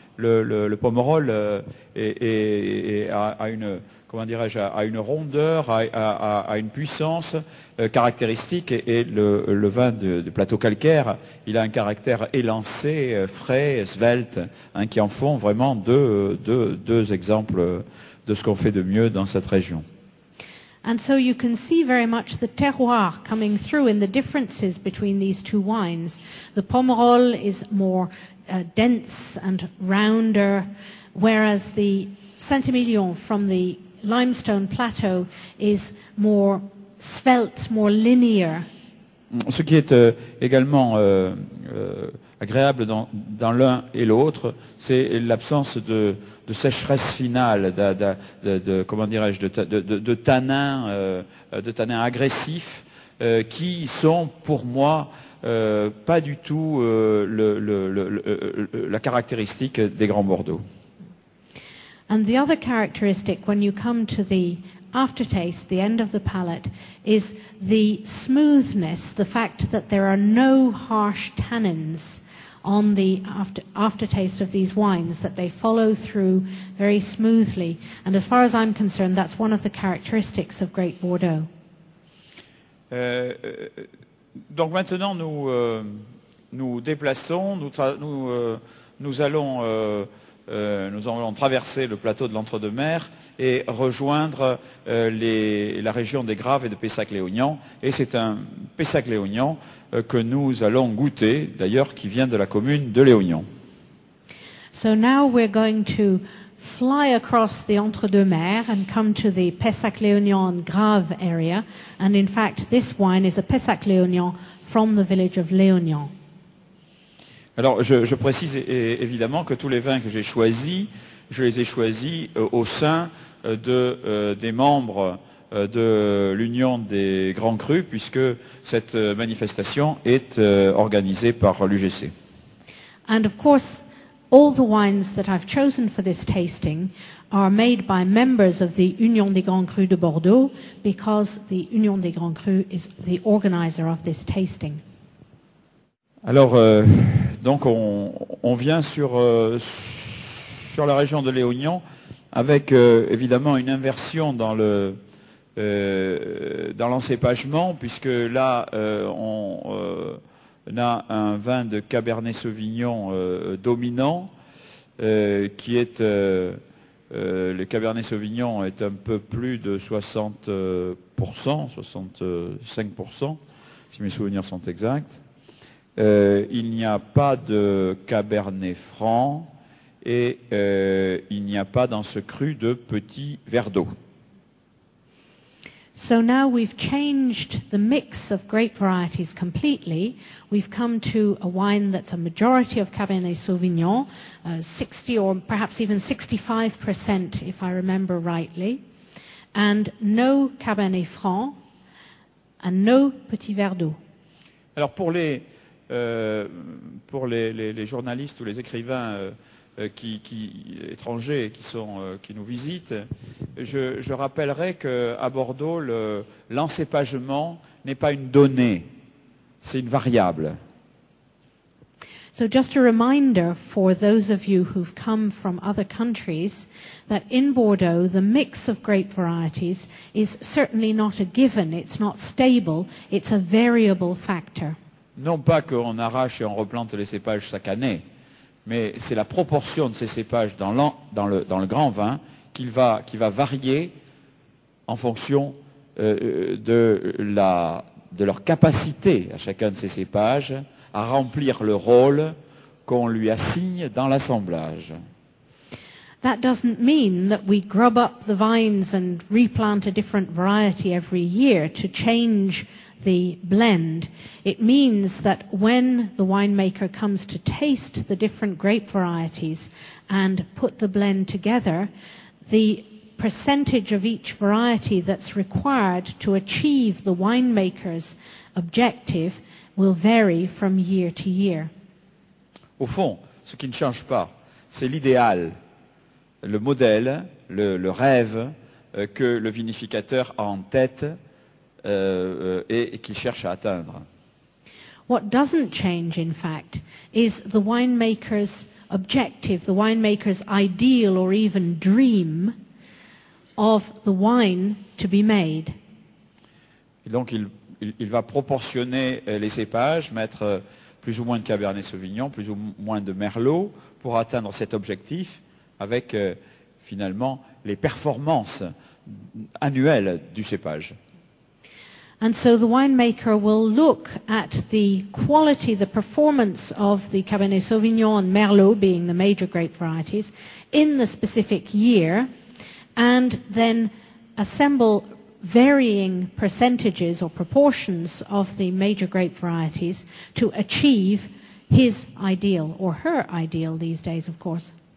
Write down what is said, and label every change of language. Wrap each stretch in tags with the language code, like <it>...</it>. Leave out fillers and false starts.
<fr>Le Pomerol a une rondeur, a une puissance caractéristique, et le vin du plateau calcaire, il a un caractère élancé, frais, svelte, hein, qui en font vraiment deux exemples de ce qu'on fait de mieux dans cette région.</fr> <en>And so you can see very much the terroir coming through in the differences between these two wines. The Pomerol is more dense and rounder, whereas the Saint-Emilion from the limestone plateau is more svelte, more linear.</en> <fr>Ce qui est également agréable dans l'un et l'autre, c'est l'absence de sécheresse finale, de tanins tanin agressifs qui sont pour moi pas du tout la caractéristique des grands Bordeaux.</fr> <en>And the other characteristic when you come to the aftertaste, the end of the palate, is the smoothness, the fact that there are no harsh tannins on the aftertaste of these wines, that they follow through very smoothly. And as far as I'm concerned, that's one of the characteristics of Great Bordeaux.</en> <fr>Donc maintenant, nous nous déplaçons, nous allons traverser le plateau de l'Entre-deux-Mers et rejoindre la région des Graves et de Pessac-Léognan. Et c'est un Pessac-Léognan que nous allons goûter, d'ailleurs, qui vient de la commune de Léognan.</fr> <en>So now we're going to fly across the Entre-deux-Mers and come to the Pessac-Léognan Grave area. And in fact, this wine is a Pessac-Léognan from the village of Léognan.</en> <fr>Alors, je précise évidemment que tous les vins que j'ai choisis, je les ai choisis au sein des membres de l'Union des Grands Crus, puisque cette manifestation est organisée par l'UGC.</fr> <en>And of course, all the wines that I've chosen for this tasting are made by members of the Union des Grands Crus de Bordeaux, because the Union des Grands Crus is the organizer of this tasting.</en> <fr>Alors, donc on vient sur la région de Léognan avec évidemment une inversion dans dans l'encépagement, puisque là on a un vin de Cabernet Sauvignon dominant, qui est le Cabernet Sauvignon est un peu plus de 60%, 65%, si mes souvenirs sont exacts. Il n'y a pas de Cabernet Franc et il n'y a pas dans ce cru de petit verre d'eau.</fr> <en>So now we've changed the mix of grape varieties completely. We've come to a wine that's a majority of Cabernet Sauvignon, 60 or perhaps even 65% if I remember rightly, and no Cabernet Franc and no petit verre d'eau.</en> <fr>Alors pour les journalistes ou les écrivains qui étrangers qui nous visitent, je rappellerai que à Bordeaux l'encépagement n'est pas une donnée, c'est une variable.</fr> <en>So just a reminder for those of you who've come from other countries that in Bordeaux the mix of grape varieties is certainly not a given, it's not stable, it's a variable factor.</en> <fr>Non pas qu'on arrache et on replante les cépages chaque année, mais c'est la proportion de ces cépages dans le grand vin qui va varier en fonction de leur capacité à chacun de ces cépages à remplir le rôle qu'on lui assigne dans l'assemblage.</fr> <en>That doesn't mean that we grub up the vines and replant a different variety every year to change the blend. It means that when the winemaker comes to taste the different grape varieties and put the blend together, the percentage of each variety that's required to achieve the winemaker's objective will vary from year to year.</en> <fr>Au fond, ce qui ne change pas, c'est l'idéal, le modèle, le rêve que le vinificateur a en tête et qu'il cherche à atteindre.</fr> <en>What doesn't change, in fact, is the winemaker's objective, the winemaker's ideal or even dream of the wine to be made.</en> <fr>Et donc il va proportionner les cépages, mettre plus ou moins de Cabernet Sauvignon, plus ou moins de Merlot pour atteindre cet objectif avec finalement les performances annuel du cépage.</fr> <en>And so the winemaker will look at the quality, the performance of the Cabernet Sauvignon and Merlot being the major grape varieties in the specific year, and then assemble varying percentages or proportions of the major grape varieties to achieve his ideal or her ideal these days, of course.</en>